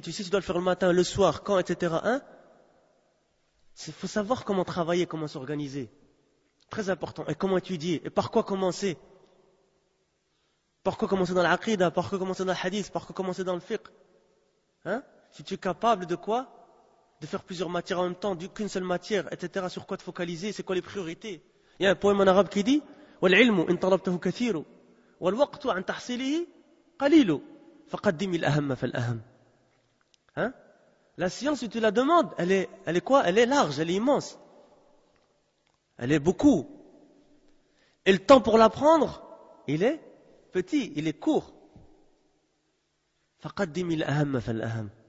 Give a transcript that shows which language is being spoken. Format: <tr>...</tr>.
<fr>Tu sais si tu dois le faire le matin, le soir, quand, etc. Hein? Il faut savoir comment travailler, comment s'organiser. Très important. Et comment étudier. Et par quoi commencer. Pourquoi commencer dans l'aqidah? Pourquoi commencer dans le hadith? Pourquoi commencer dans le fiqh? Hein? Si tu es capable de quoi? De faire plusieurs matières en même temps, qu'une seule matière, etc. Sur quoi te focaliser? C'est quoi les priorités? Il y a un poème en arabe qui dit:</fr> <ar>وَالْعِلْمُ إِنْ طَلَبْتَهُ كَثِيرُ وَالْوَقْتُ عَنْ تَحْصِلِهِ قَلِيلُ فَقَدِّمِ الْأَهَمَّ فَالْأَهَمَّ.</ar> <fr>Hein? La science, si tu la demandes, elle est quoi? Elle est large, elle est immense. Elle est beaucoup. Et le temps pour l'apprendre, il est petit, il est court.</fr> <ar>فَقَدِّمِ الْأَهَمَّ فَالْأَهَمَّ.</ar>